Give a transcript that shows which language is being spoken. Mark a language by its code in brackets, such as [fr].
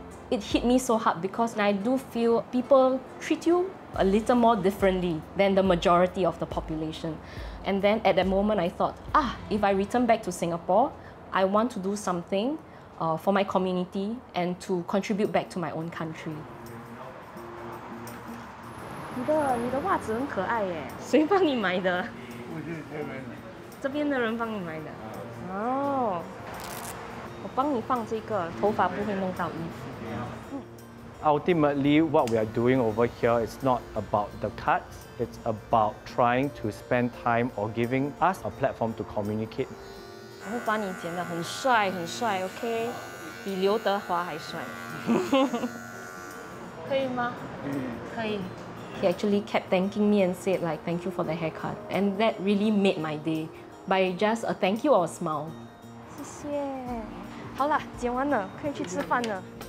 [en] It hit me so hard because I do feel people treat you a little more differently than the majority of the population. And then at that moment, I thought, if I return back to Singapore, I want to do something for my community and to contribute back to my own country. [zh] 你的袜子很可爱耶，谁帮你买的？这边的人帮你买的。哦， 我帮你放这个，头发不会弄到衣服。 [en] Ultimately, what we are doing over here is not about the cuts. It's about trying to spend time or giving us a platform to communicate. [zh] 我会把你剪得很帅很帅， OK? 比刘德华还帅。可以吗？可以。 [en] He actually kept thanking me and said, like, thank you for the haircut. And that really made my day, by just a thank you or a smile. [zh] 谢谢。好了，剪完了，可以去吃饭了。